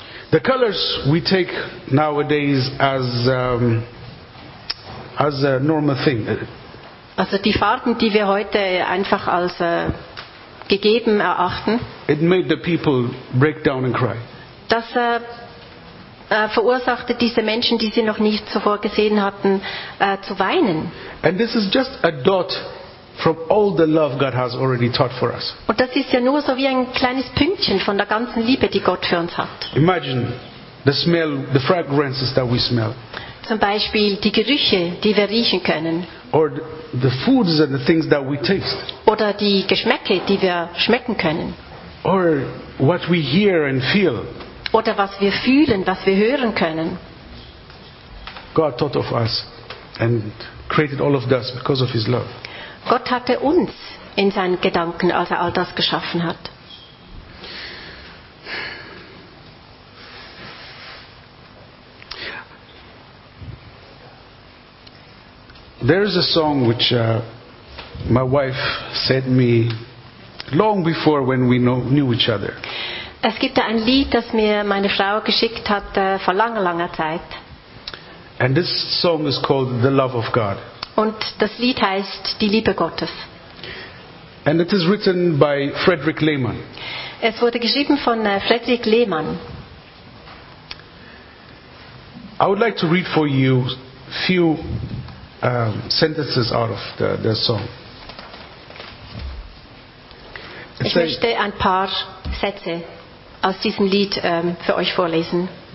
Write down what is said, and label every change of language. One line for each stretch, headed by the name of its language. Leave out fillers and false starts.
English: The colors we take nowadays as a normal thing.
German: Also die Farben, die wir heute einfach als gegeben erachten.
English: It made the people break down and cry.
German: Das verursachte diese Menschen, die sie noch nicht zuvor gesehen hatten, zu weinen.
English: And this is just a dot from all the love God has already taught for us.
German: Und das ist ja nur so wie ein kleines Pünktchen von der ganzen Liebe, die Gott für uns hat.
English: Imagine the smell, the fragrances that we smell.
German: Zum Beispiel die Gerüche, die wir riechen können.
English: Or the foods and the things that we taste.
German: Oder die Geschmäcke, die wir schmecken können.
English: Or what we hear and feel.
German: Oder was wir fühlen, was wir hören können.
English: God thought of us and created all of this because of his love.
German: Gott hatte uns in seinen Gedanken, als er all das geschaffen hat.
English: There is a song which my wife sent me long before when we knew each other.
German: Es gibt da ein Lied, das mir meine Frau geschickt hat vor langer, langer Zeit.
English: And this song is called The Love of God.
German: Und das Lied heißt Die Liebe Gottes.
English: And it is written by Frederick Lehmann.
German: Es wurde geschrieben von Frederick Lehmann.
English: I would like to read for you few sentences out of the song.
German: Ich möchte ein paar Sätze aus diesem Lied für euch vorlesen.